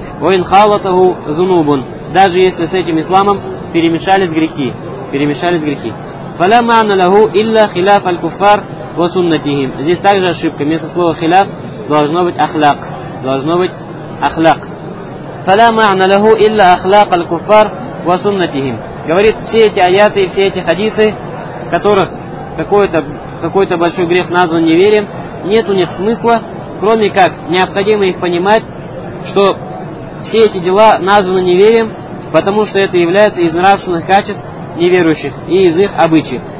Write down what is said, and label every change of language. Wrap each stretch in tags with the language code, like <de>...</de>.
<ar>Воин халатаху зунубун,</ar> <ru>даже если с этим исламом перемешались грехи, перемешались грехи.</ru> <ar>Фаля маана лаху илля хиляф аль куфар ва суннатихим.</ar> <ru>Здесь также ошибка, вместо слова хиляф должно быть ахляк, должно быть ахляк.</ru> <ar>فلا معنى له إلا أخلاق الكفار وسنتهم.</ar> <ru>Говорит, все эти аяты и все эти хадисы, в которых какой-то большой грех назван неверием, нет у них смысла, кроме как необходимо их понимать, что все эти дела названы неверием, потому что это является из нравственных качеств неверующих и из их обычаев.</ru>